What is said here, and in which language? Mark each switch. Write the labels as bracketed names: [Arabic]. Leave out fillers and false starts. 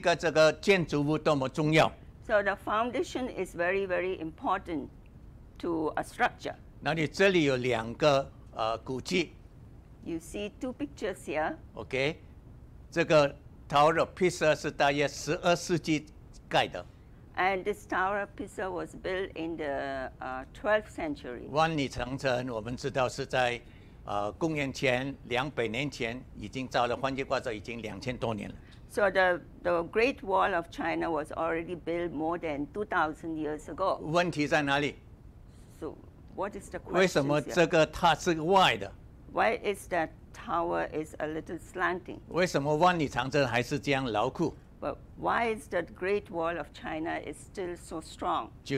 [Chinese] 对一个这个建筑物多么重要。 [English] So the foundation is very, very important to a structure. [Chinese] 那你这里有两个古迹。 [English] You see two pictures here. [Chinese] Okay. 这个 Tower of Pisa 是大约12世纪盖的。 [English] And this Tower of Pisa was built in the 12th century. [Chinese] 万里长城我们知道是在 公元前200年前已经造了，换句话说，已经2000多年了。 [English] So the Great Wall of China was already built more than 2,000 years ago. [Chinese] 问题在哪里？ [English] So what is the question? [Chinese] 为什么这个塔是外的？ [English] Why is that tower is a little slanting? [Chinese] 为什么万里长城还是这样牢固？ [English] But why is the Great Wall of China is still so strong?